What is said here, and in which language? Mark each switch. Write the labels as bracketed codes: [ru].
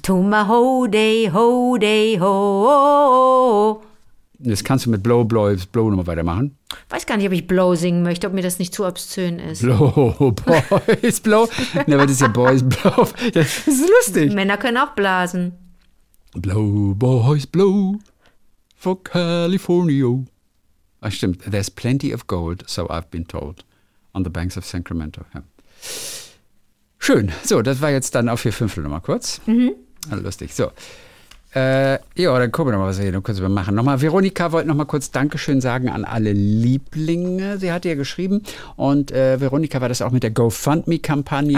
[de] Toma Hodei, Hodei, ho. Das kannst du mit Blow, Blow, Blow nochmal weitermachen. Weiß gar nicht, ob ich Blow singen möchte, ob mir das nicht zu obszön ist. [en] Blow, Boys, Blow. [de] Ne, aber das ist ja Boys, Blow. Das ist lustig. Männer können auch blasen. [en] Blow, Boys, Blow for California. [de] Ach stimmt, [en] there's plenty of gold, so I've been told, on the banks of Sacramento. [de] Ja. Schön. So, das war jetzt dann auf 4/5 nochmal kurz. Mhm. Also lustig, so. Dann gucken wir nochmal, was wir hier noch kurz machen. Nochmal, Veronika wollte nochmal kurz Dankeschön sagen an alle Lieblinge. Sie hatte ja geschrieben und Veronika war das auch mit der GoFundMe-Kampagne.